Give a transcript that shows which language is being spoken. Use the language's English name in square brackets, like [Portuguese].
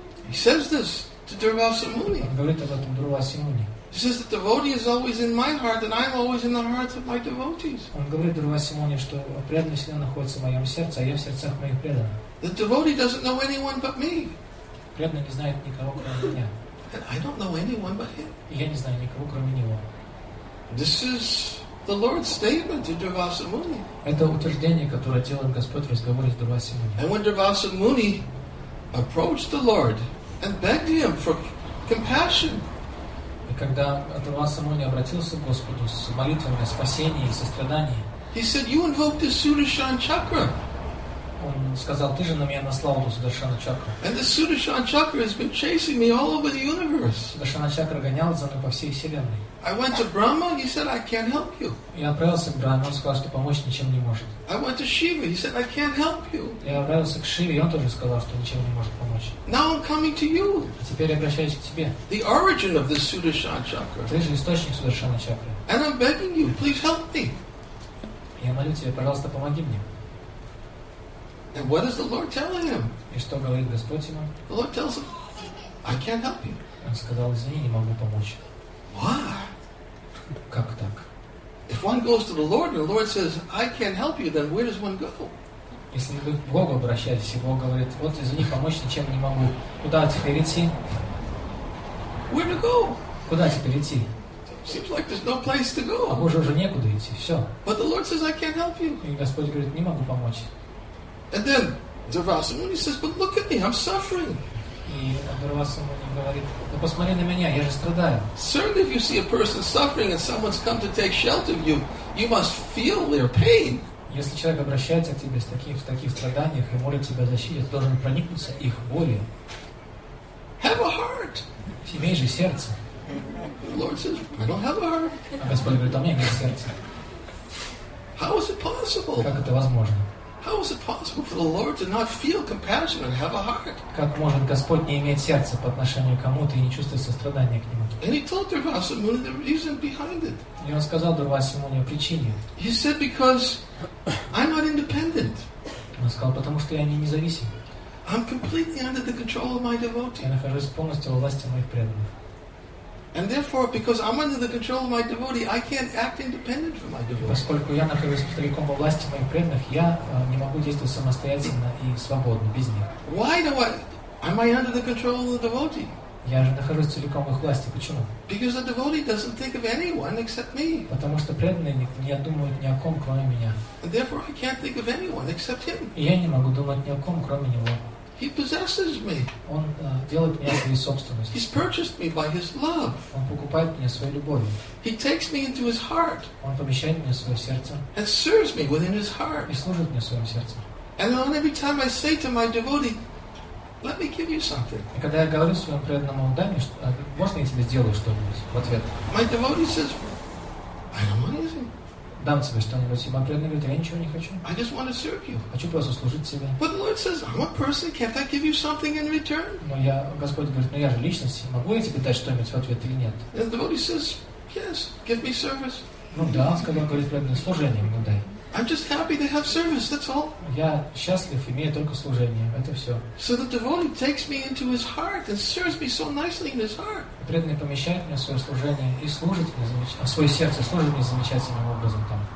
[English] He says this to Durvasa Muni. [Russian] Он говорит об этом Дурвасе Муни. [English] He says that the devotee is always in my heart, and I'm always in the hearts of my devotees. [Russian] Он говорит Дурвасе Муни, что преданный всегда находится в моем сердце, а я в сердцах моих преданных. [English] The devotee doesn't know anyone but me. [Russian] Преданный не знает никого кроме меня. [English] And I don't know anyone but him. [Russian] Я не знаю никого кроме него. [English] This is the Lord's statement to Durvasa Muni. [Russian] Это утверждение, которое делает Господь в разговоре с Дурвасе Муни. [English] And when Durvasa Muni approached the Lord and begged him for compassion. [Russian] Когда Дурвасе Муни обратился к Господу с молитвами о спасении и сострадании, [English] he said, "You invoked the Sudarshan Chakra." [Russian] Он сказал, ты же на меня наслал эту Сударшану Чакру. [English] And the Sudarshan Chakra has been chasing me all over the universe. [Russian] Сударшана Чакра гонялась за мной по всей вселенной. [English] I went to Brahma, he said, "I can't help you." [Russian] Я отправился к Брахме, он сказал, что помочь ничем не может. [English] I went to Shiva, he said, "I can't help you." [Russian] Я обратился к Шиве, и он тоже сказал, что ничем не может помочь. [English] Now I'm coming to you. [Russian] А теперь я обращаюсь к тебе. [English] The origin of the Sudarshan Chakra. [Russian] Ты же источник Сударшана Чакры. [English] And I'm begging you, please help me. [Russian] Я молю тебя, пожалуйста, помоги мне. [English] And what is the Lord telling him? [Russian] И что говорит Господь ему? [English] The Lord tells him, "I can't help you." [Russian] Он сказал, извини, не могу помочь. [English] Why? [Russian] Как так? [English] If one goes to the Lord and the Lord says, "I can't help you," then where does one go? [Russian] Если вы к Богу обращаетесь, и Бог говорит, вот извини, помочь ничем не могу, куда теперь идти? [English] Where to go? [Russian] Куда теперь идти? [English] Seems like there's no place to go. [Russian] А Боже уже некуда идти, все. [English] But the Lord says, "I can't help you." [Russian] И Господь говорит, не могу помочь. [English] And then Durvasa Muni says, "But look at me, I'm suffering." And [Russian] Durvasa Muni говорит, "Да посмотри на меня, я же страдаю." [English] Certainly, if you see a person suffering and someone's come to take shelter of you, you must feel their pain. [Russian] Если человек обращается к тебе в таких страданиях и молит тебя о защите, ты должен проникнуться их болью. [English] Have a heart. [Russian] Имей же сердце. [English] The Lord says, "I don't have a heart." [Russian] А Господь говорит, "У меня нет сердца." [English] How is it possible? [Russian] Как это возможно? [English] How is it possible for the Lord to not feel compassion and have a heart? [Russian] Как может Господь не иметь сердца по отношению к кому-то и не чувствовать сострадания к нему? [English] And he told Durvasa Muni the reason behind it. [Russian] И он сказал Дурвасе Муни о причине. [English] He said, "Because I'm not independent." [Russian] Он сказал, потому что я не независим. [English] I'm completely under the control of my devotee. [Russian] Я нахожусь полностью во власти моих преданных. [English] And therefore, because I'm under the control of my devotee, I can't act independent from my devotee. [Russian] Поскольку я нахожусь под целиком во власти моих преданных, я не могу действовать самостоятельно и свободно без них. [English] Why do I? Am I under the control of the devotee? [Russian] Я же нахожусь целиком во власти. Почему? [English] Because the devotee doesn't think of anyone except me. [Russian] Потому что преданный не думает ни о ком, кроме меня. [English] And therefore, I can't think of anyone except him. [Russian] Я не могу думать ни о ком, кроме него. [English] He possesses me. [Russian] Он делает меня своей собственностью. [English] He's purchased me by his love. [Russian] Он покупает меня своей любовью. [English] He takes me into his heart. [Russian] Он помещает меня в свое сердце. [English] And serves me within his heart. [Russian] И служит мне в своем сердце. [English] And then every time I say to my devotee, let me give you something. [Russian] И когда я говорю своему преданному, дай мне, можно я тебе сделаю что-нибудь в ответ? [English] My devotee says, I don't want anything. [Russian] Дам тебе что-нибудь. И мой преданный говорит, я ничего не хочу. [English] I just want to serve you. [Russian] Хочу просто служить тебе. [English] But the Lord says, I'm a person, can't I give you something in return? [Russian] Но я, Господь говорит, ну я же личность, могу я тебе дать что-нибудь в ответ или нет? [English] And the devotee says, yes, give me service. [Russian] Ну да, он сказал, говорит, преданный, служение ему дай. [English] I'm just happy to have service, that's all. [Russian] Я счастлив, имею только служение, это все. [English] So the devotee takes me into his heart and serves me so nicely in his heart. [Russian] Преданный помещает меня в свое служение и служит мне, в свое сердце служит мне замечательным образом там.